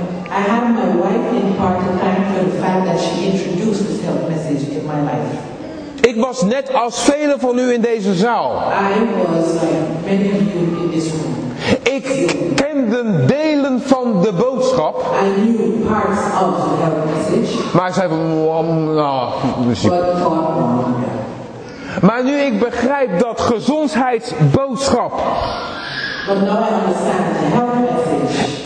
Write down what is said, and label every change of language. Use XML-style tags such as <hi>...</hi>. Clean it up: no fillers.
<en>I have my wife in part to thank for the fact that she introduced this health message in my life.</en> <nl>Ik was net als velen van u in deze zaal.</nl> <en>I was like many of you in this room.</en> <nl>Ik kende delen van de boodschap.</nl> <en>I knew parts of the health message.</en> <nl>Maar zij van, maar nu ik begrijp dat gezondheidsboodschap.</nl> <en>But now I understand the health message.</en>